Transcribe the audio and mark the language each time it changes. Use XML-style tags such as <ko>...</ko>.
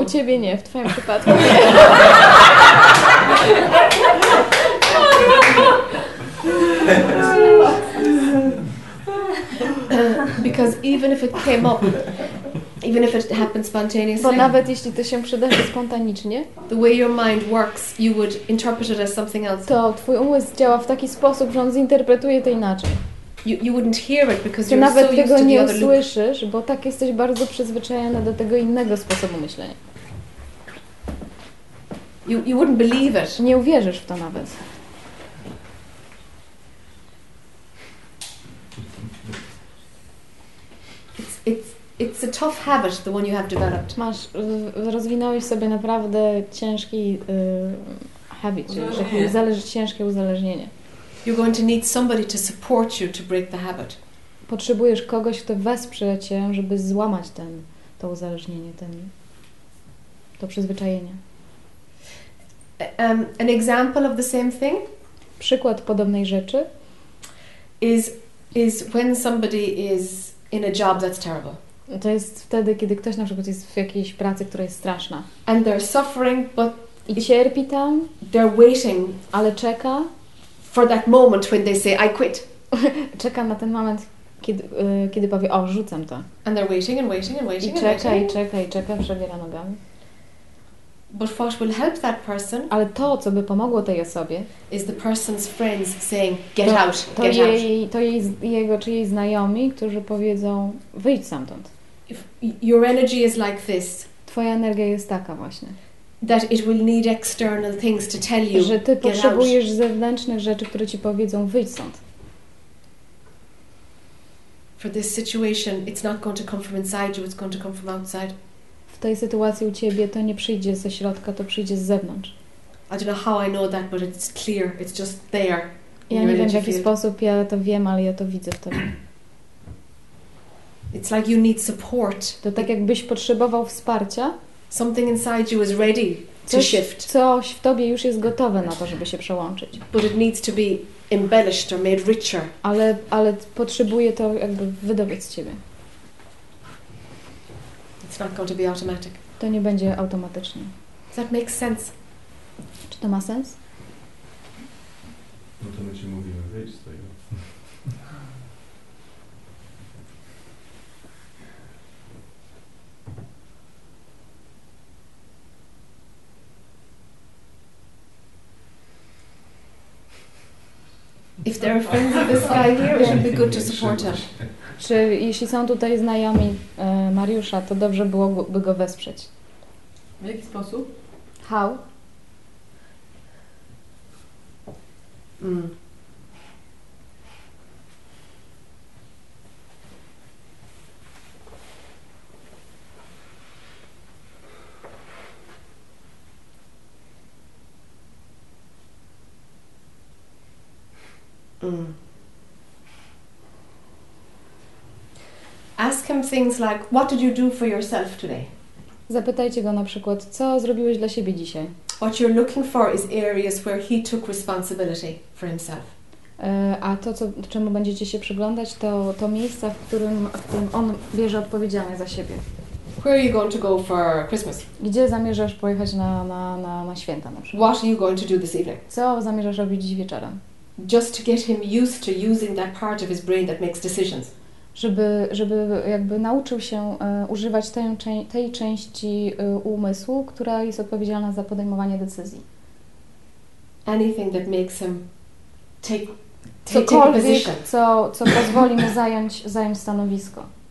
<pl>U ciebie nie, w twoim przypadku nie.</pl> <en>Because even if it came up. Even if it happens spontaneously.</en> <pl>Bo nawet jeśli to się przydarzy spontanicznie.</pl> <en>The way your mind works, you would interpret it as something else.</en> <pl>To twój umysł działa w taki sposób, że on zinterpretuje to inaczej.</pl> <en>You wouldn't hear it because you're so used to the other loop.</en> <pl>Nawet tego nie usłyszysz, bo tak jesteś bardzo przyzwyczajona do tego innego sposobu myślenia.</pl> <en>You wouldn't believe it.</en> <pl>Nie uwierzysz w to nawet.</pl> <en>It's a tough habit, the one you have developed.</en> <pl>Masz, rozwinąłeś sobie naprawdę ciężki habit, ciężkie uzależnienie.</pl> <en>You're going to need somebody to support you to break the habit.</en> <pl>Potrzebujesz kogoś, kto wesprze cię, żeby złamać to uzależnienie, to przyzwyczajenie.</pl> <en>An example of the same thing.</en> <pl>Przykład podobnej rzeczy.</pl> <en>Is when somebody is in a job that's terrible.</en> <pl>To jest wtedy, kiedy ktoś na przykład jest w jakiejś pracy, która jest straszna.</pl> <en>And they're suffering, but</en> <pl>i cierpi tam.</pl> <en>They're waiting,</en> <pl>ale czeka.</pl> <en>For that moment when they say I quit.</en> <pl>Czeka na ten moment, kiedy powie o, rzucam to.</pl> <en>And they're waiting and waiting and waiting.</en> <pl>I czeka i czeka i czeka, przewiera nogami.</pl> <en>But what will help that person?</en> <pl>Ale to, co by pomogło tej osobie,</pl> <en>is the person's friends saying, "Get out, get out."</en> <pl>To jego czy jej znajomi, którzy powiedzą, wyjdź stamtąd.</pl> <en>If your energy is like this,</en> <pl>twoja energia jest taka właśnie.</pl> <en>That it will need external things to tell you.</en> <pl>Że ty potrzebujesz zewnętrznych rzeczy, które ci powiedzą, wyjdź stąd.</pl> <en>For this situation, it's not going to come from inside you. It's going to come from outside.</en> <pl>W tej sytuacji u ciebie to nie przyjdzie ze środka, to przyjdzie z zewnątrz.</pl> <en>I don't know how I know that, but it's clear. It's just there.</en> <pl>Ja nie wiem, w jaki sposób ja to wiem, ale ja to widzę w tobie.</pl> <en>It's like you need support.</en> <pl>To tak jakbyś potrzebował wsparcia.</pl> <en>Something inside you is ready to shift.</en> <pl>Coś w tobie już jest gotowe na to, żeby się przełączyć.</pl> <en>But it needs to be embellished or made richer.</en> <pl>Ale potrzebuje to jakby wydobyć z ciebie.</pl> <en>It's not going to be automatic.</en> <pl>To nie będzie automatyczne.</pl> <en>Does that make sense?</en> <pl>Czy to ma sens? No to my ci mówimy, wyjdź z tego.</pl> <en>If there are friends of this guy here, it would be good to support him.</en> <pl>Czy jeśli są tutaj znajomi Mariusza, to dobrze byłoby go wesprzeć? W jaki sposób?</pl> <en>How? Ask him things like, what did you do for yourself today?</en> <pl>Zapytajcie go na przykład, co zrobiłeś dla siebie dzisiaj?</pl> <en>What you're looking for is areas where he took responsibility for himself.</en> <pl>A to, czemu będziecie się przyglądać, to miejsca, w którym on bierze odpowiedzialność za siebie.</pl> <en>Where are you going to go for Christmas?</en> <pl>Gdzie zamierzasz pojechać na święta na przykład?</pl> <en>What are you going to do this evening?</en> <pl>Co zamierzasz robić dziś wieczorem?</pl> <en>Just to get him used to using that part of his brain that makes decisions.</en> <pl>Żeby jakby nauczył się używać tej części umysłu, która jest odpowiedzialna za podejmowanie decyzji.</pl> <en>Anything that makes him take a position.</en> <pl>Co pozwoli mu zająć stanowisko.</pl>